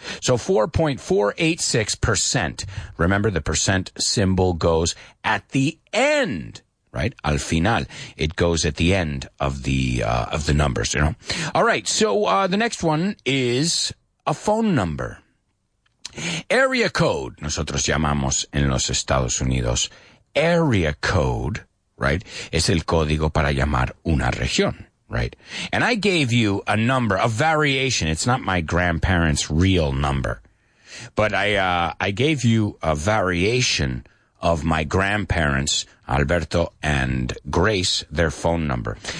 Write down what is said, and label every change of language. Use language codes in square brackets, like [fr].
[en] So 4.486%. Remember, the percent symbol goes at the end, right? [es] Al final. [en] It goes at the end of the numbers, you know? All right. So, the next one is a phone number. Area code. [es] Nosotros llamamos en los Estados Unidos area code, right? Es el código para llamar una región. Right. [en] And I gave you a number, a variation. It's not my grandparents' real number, but I gave you a variation of my grandparents, Alberto and Grace, their phone number.